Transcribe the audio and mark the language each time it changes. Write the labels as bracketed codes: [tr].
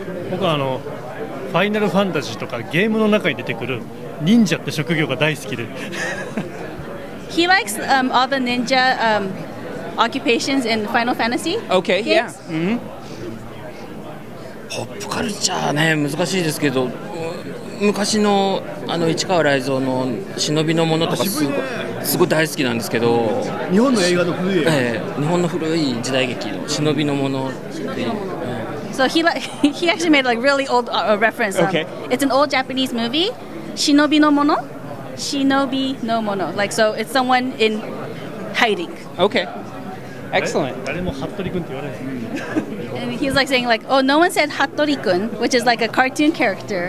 [ja] 僕はファイナルファンタジーとかゲームの中に出てくる忍者って職業が大好きで。 [en] He likes all the ninja occupations in Final Fantasy. Okay, yeah. Mm-hmm. [ja] ポップカルチャーね、難しいですけど、昔の市川雷蔵の忍びのものとかすごい大好きなんですけど。日本の映画の古い映画。日本の古い時代劇の忍びのものって。 [en] So he actually made like really old reference. Okay. It's an old Japanese movie, Shinobi no Mono. Shinobi no Mono. Like, so it's someone in hiding. Okay. Excellent. And he's like saying like, oh, no one said Hattori-kun, which is like a cartoon character.